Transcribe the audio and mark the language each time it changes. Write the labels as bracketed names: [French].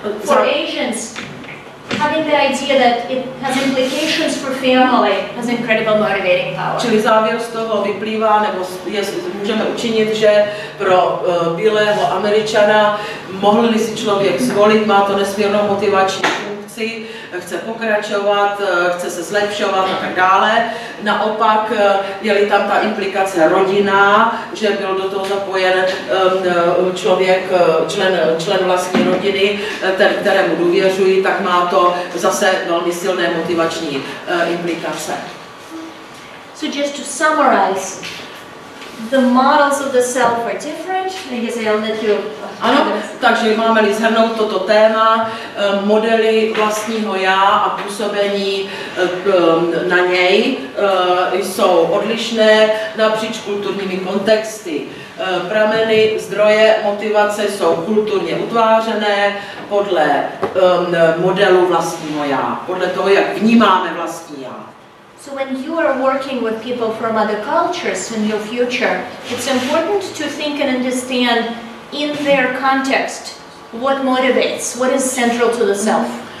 [English] For Asians, having the idea that it has implications for family has incredible motivating power. [Czech] Čili závěr z toho vyplývá, nebo můžeme učinit, že pro bílého Američana mohl-li si člověk zvolit, má to nesmírnou motivační funkci, chce pokračovat, chce se zlepšovat a tak dále. Naopak, je-li tam ta implikace rodina, že byl do toho zapojen člověk, člen vlastní rodiny, kterému důvěřuji, tak má to zase velmi silné motivační implikace. [English] So just to summarize, the models of the self are different. I guess I'll let you... [Czech] Ano, takže máme-li shrnout toto téma, modely vlastního já a působení na něj jsou odlišné napříč kulturními kontexty. Prameny, zdroje, motivace jsou kulturně utvářené podle modelu vlastního já, podle toho, jak vnímáme vlastní já. [English] So when you are working with people from other cultures in your future, it's important to think and understand in their context, what motivates, what is central to the self.